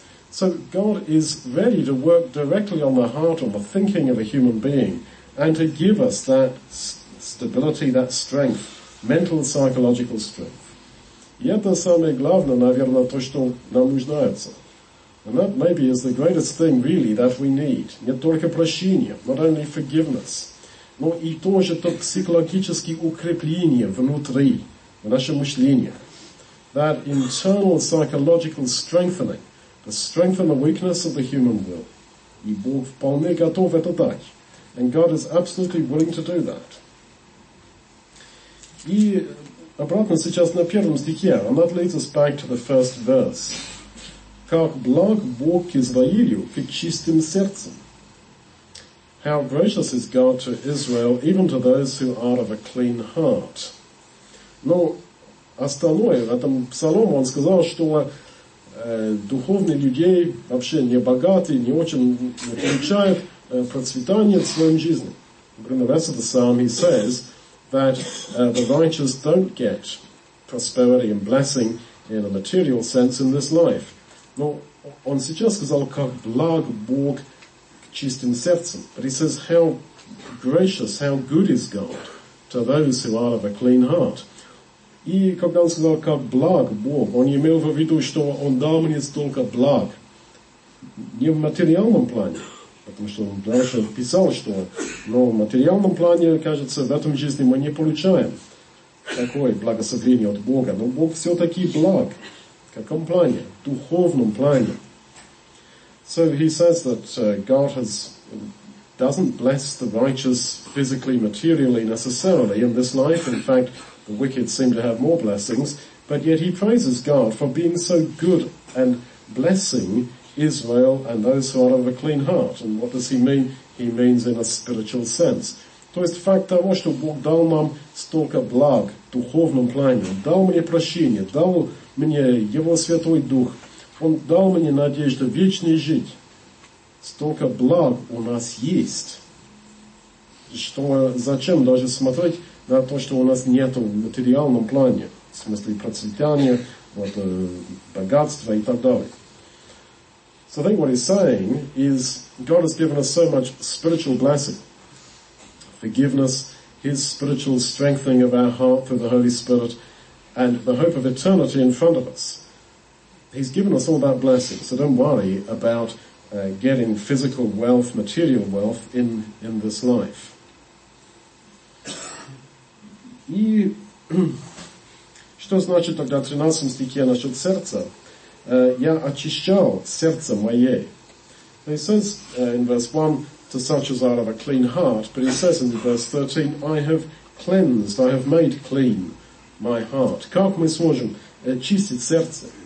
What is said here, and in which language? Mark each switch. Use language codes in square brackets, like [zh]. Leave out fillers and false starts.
[en] So God is ready to work directly on the heart, on the thinking of a human being, and to give us that stability, that strength, mental and psychological strength. [ru] И это самое главное, наверное, то, что нам нуждается. [en] And that maybe is the greatest thing, really, that we need. [ru] Не только прощение, [en] not only forgiveness, [ru] но и тоже то психологическое укрепление внутри, в нашем мышлении. [en] That internal psychological strengthening, to strengthen the weakness of the human will. [ru] И Бог вполне готов это дать. [en] And God is absolutely willing to do that. [ru] И обратно сейчас на первом стихе, [en] and that leads us back to the first verse. [ru] Как благ Бог к Израилю, к чистым сердцем. [en] How gracious is God to Israel, even to those who are of a clean heart. [ru] Но остальное, в этом псалом он сказал, что духовные людей вообще не богаты, не очень получают процветание в своем жизни. [en] In the rest of the psalm he says that the righteous don't get prosperity and blessing in a material sense in this life. [ru] Но он сейчас сказал, как благ Бог к чистым сердцем. [en] But he says, how gracious, how good is God to those who are of a clean heart. [ru] И когда он сказал, как благ Бог, он имел в виду, что он дал мне столько благ. Не в материальном плане, потому что он дальше писал, что но в материальном плане, кажется, в этом жизни мы не получаем такое благословение от Бога. Но Бог все-таки благ. В каком плане? В духовном плане. [en] So he says that God doesn't bless the righteous physically, materially, necessarily in this life. In fact, the wicked seem to have more blessings. But yet he praises God for being so good and blessing Israel and those who are of a clean heart. And what does he mean? He means in a spiritual sense. [ru] То есть факт того, что Бог дал нам столько благ в духовном плане, дал мне прощение, дал мне Его Святой Дух, Он дал мне надежду вечной жить. Столько благ у нас есть. Что, зачем даже смотреть на то, что у нас нет в материальном плане, в смысле процветания, вот, богатства и так далее. [en] So I think what he's saying is God has given us so much spiritual blessing. Forgiveness, his spiritual strengthening of our heart through the Holy Spirit, and the hope of eternity in front of us. He's given us all that blessing, so don't worry about getting physical wealth, material wealth in this life. [ru] И что значит тогда в 13 стихе насчет сердца? Я очищал сердце мое. [en] He says in verse 1, to such as are of a clean heart, but he says in verse 13, I have cleansed, I have made clean my heart? [ru] Как мы сможем очистить сердце?